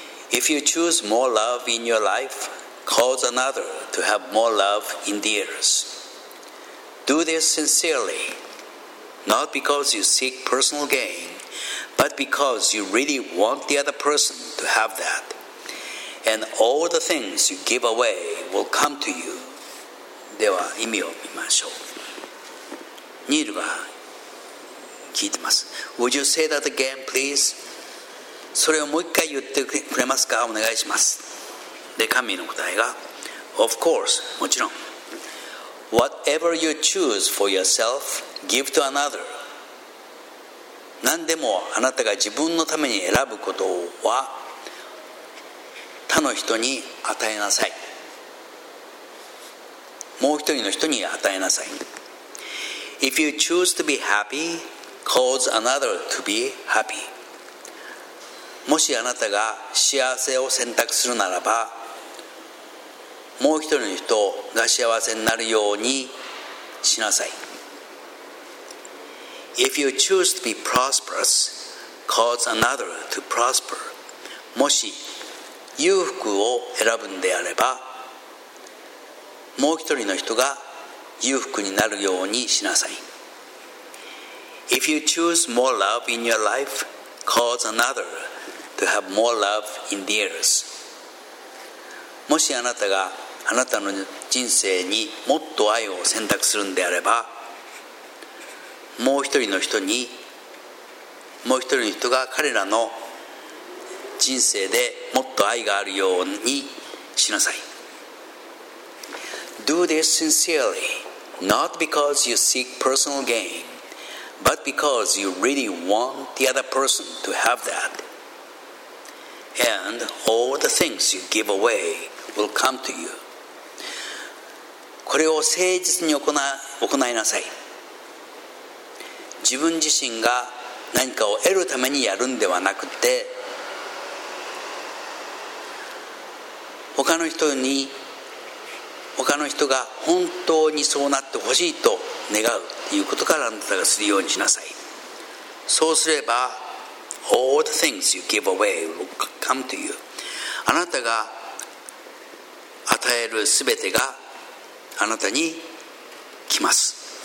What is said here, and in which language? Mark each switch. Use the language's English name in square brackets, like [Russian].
[English] If you choose more love in your life, cause another to have more love in theirs. Do this sincerely, not because you seek personal gain, but because you really want the other person to have that. And all the things you give away will come to you. [Japanese] では意味を見ましょう。ニールが聞いてます。 [English] Would you say that again, please? [Japanese] それをもう一回言ってくれますか？お願いします。で、神の答えが、 [English] Of course, [Japanese] もちろん。 [English] Whatever you choose for yourself, give to another. [Japanese] 何でもあなたが自分のために選ぶことは、他の人に与えなさい。もう一人の人に与えなさい。 [English] If you choose to be happy, cause another to be happy. [Japanese] もしあなたが幸せを選択するならば、もう一人の人が幸せになるようにしなさい。 [English] If you choose to be prosperous, cause another to prosper. [Japanese] もし裕福を選ぶんであれば、もう一人の人が裕福になるようにしなさい。 [English] If you choose more love in your life, cause another to have more love in theirs. [Japanese] もしあなたがあなたの人生にもっと愛を選択するんであれば、もう一人の人に、もう一人の人が彼らの人生でもっと愛があるようにしなさい。 [English] Do this sincerely, not because you seek personal gain, but because you really want the other person to have that. And all the things you give away will come to you. [Japanese] これを誠実に行いなさい。自分自身が何かを得るためにやるんではなくて、他の人が本当にそうなってほしいと願うということからあなたがするようにしなさい。そうすれば、 [English] all the things you give away will come to you. [Japanese] あなたが与えるすべてがあなたに来ます。